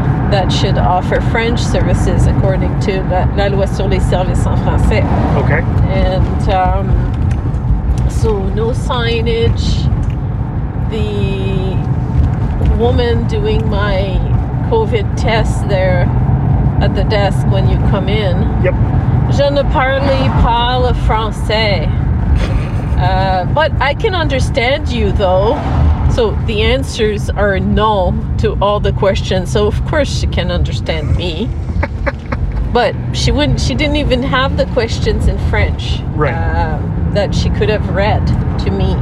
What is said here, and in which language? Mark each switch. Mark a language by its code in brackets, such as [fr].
[en] that should offer French services according to La Loi sur les services en français. Okay. And so no signage. The woman doing my COVID test there at the desk when you come in. Yep. [fr] Je ne parle pas le français. [en] But I can understand you, though. So the answers are no to all the questions. So of course she can understand me. But she wouldn't. She didn't even have the questions in French. Right. That she could have read to me.